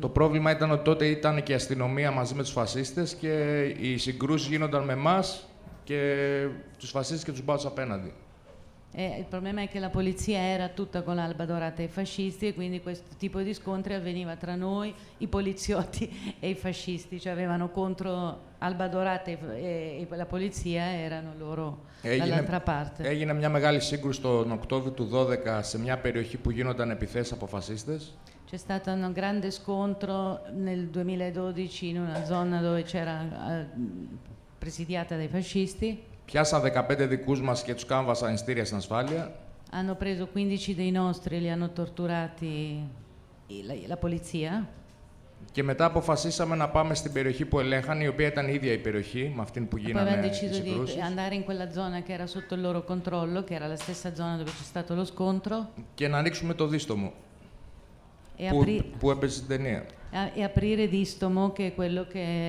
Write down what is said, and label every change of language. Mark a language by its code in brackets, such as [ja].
[el] Το πρόβλημα ήταν ότι τότε ήταν και η αστυνομία μαζί με τους φασίστες και οι συγκρούσεις γίνονταν με εμάς και τους φασίστες και τους μπάτους απέναντι. [it] Il problema è che la polizia era tutta con l'Alba Dorata e i fascisti e quindi questo tipo di scontri avveniva tra noi, i poliziotti e i fascisti, cioè avevano contro l'Alba Dorata e la polizia erano loro dall'altra parte. [el] Έγινε μια μεγάλη σύγκρουση τον Οκτώβριο του 12 σε μια περιοχή που γίνονταν επιθέσεις από φασίστες. [it] C'è stato un grande scontro nel 2012 in una zona dove c'era presidiata dai fascisti. [el] Πιάσαν 15 δικούς μας και τους κάμβασαν εισιτήρια στην ασφάλεια. [it] Hanno preso 15 dei nostri e li hanno torturati la polizia. [el] Και μετά αποφασίσαμε να πάμε στην περιοχή που ελέγχαν, η οποία ήταν η ίδια η περιοχή με αυτήν που γίνανε οι συγκρούσεις. [it] Poi abbiamo deciso di andare in quella zona che era sotto il loro controllo, che era la stessa zona dove c'è stato lo scontro. [el] Και να ανοίξουμε το δίστομο που έπαιζε στην ταινία. [it] E aprire distomo che è quello che